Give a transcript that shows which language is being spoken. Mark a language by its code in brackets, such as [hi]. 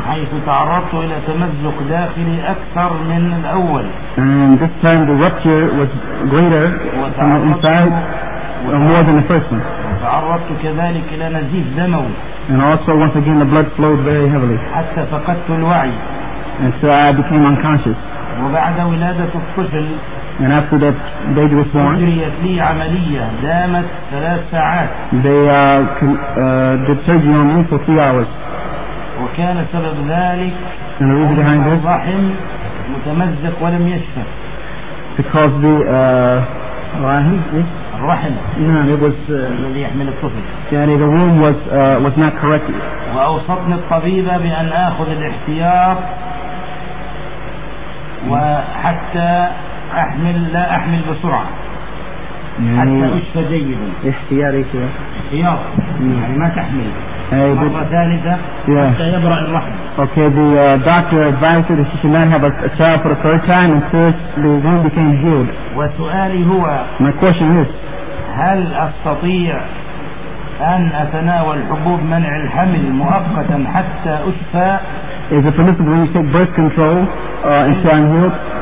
[ar] حيث تعرضت إلى تمزق داخلي أكثر من الأول. [en] And this time the rupture was greater from the inside more than the first one. [ar] وتعرضت كذلك إلى نزيف دموي. [en] And also once again the blood flowed very heavily. [ar] حتى فقدت الوعي. [en] And so I became unconscious. [ar] وبعد ولادة الطفل. [en] And after that baby was born. [ar] أجريت لي عملية دامت ثلاث ساعات. [en] They did surgery on me for 3 hours. [ar] وكان سبب ذلك. [en] And the reason behind this. [ar] الرحم متمزق ولم يشفى. [en] Because the [ar] رحم. الرحم. نعم. [en] It was [ar] الذي يحمل الطفل. يعني [en] the womb was not correct. [ar] وأوصتني الطبيبة بأن آخذ الاحتياط. وحتى أحمل لا أحمل بسرعة يعني حتى أشفى جيدا احتياري كذا احتياط يعني ما تحمل أي مرة ثالثة حتى يبرأ الرحم. [en] Okay, the doctor advised her that she should not have a child for the third time until the wound became healed. [ar] وسؤالي هو [en] My question is [ar] هل أستطيع أن أتناول حبوب منع الحمل مؤقتا حتى أشفى؟ [en] Is it permissible when you take birth control until I'm healed?